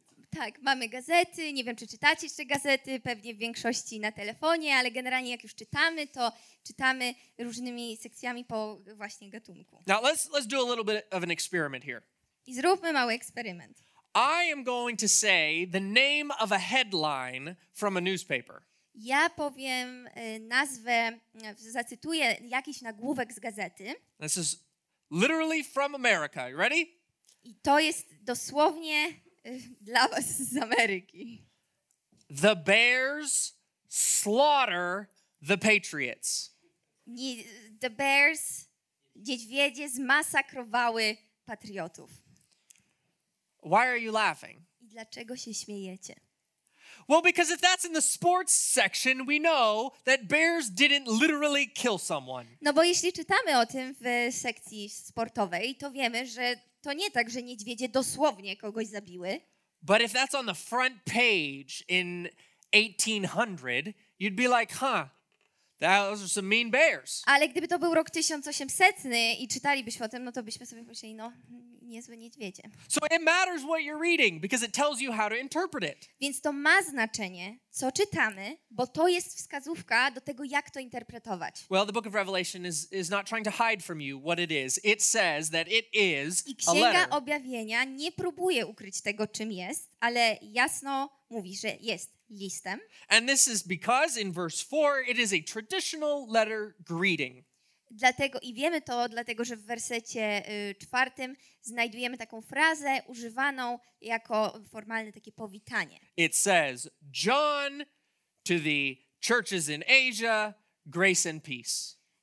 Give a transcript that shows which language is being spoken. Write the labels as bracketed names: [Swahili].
[Polish] Tak, mamy gazety, nie wiem, czy czytacie jeszcze gazety, pewnie w większości na telefonie, ale generalnie jak już czytamy, to czytamy różnymi sekcjami po właśnie gatunku. [English] Now let's do a little bit of an experiment here. [Polish] I zróbmy mały eksperyment. [English] I am going to say the name of a headline from a newspaper. [Polish] Ja powiem nazwę, zacytuję jakiś nagłówek z gazety. [English] This is literally from America. You ready? [Polish] I to jest dosłownie dla was z Ameryki. [English] The Bears slaughter the Patriots. [Polish] The Bears, niedźwiedzie zmasakrowały Patriotów. [English] Why are you laughing? [Polish] I dlaczego się śmiejecie? [English] Well, because if that's in the sports section, we know that bears didn't literally kill someone. [Polish] No bo jeśli czytamy o tym w sekcji sportowej, to wiemy, że to nie tak, że niedźwiedzie dosłownie kogoś zabiły. [English] But if that's on the front page in 1800, you'd be like, huh, those are some mean bears. [Polish] Ale gdyby to był rok 1800 i czytalibyśmy o tym, no to byśmy sobie powiedzieli, no, niezłe niedźwiedzie. [English] So it matters what you're reading, because it tells you how to interpret it. [Polish] Więc to ma znaczenie, co czytamy, bo to jest wskazówka do tego, jak to interpretować. [English] Well, the book of Revelation is not trying to hide from you what it is. It says that it is a letter. [Polish] I Księga Objawienia nie próbuje ukryć tego, czym jest, ale jasno mówi, że jest listem. [English] And this is because in verse 4 it is a traditional letter greeting. [Polish] Dlatego i wiemy to, dlatego że w wersecie czwartym znajdujemy taką frazę używaną jako formalne takie powitanie. [English] It says, John to the churches in Asia, grace and peace.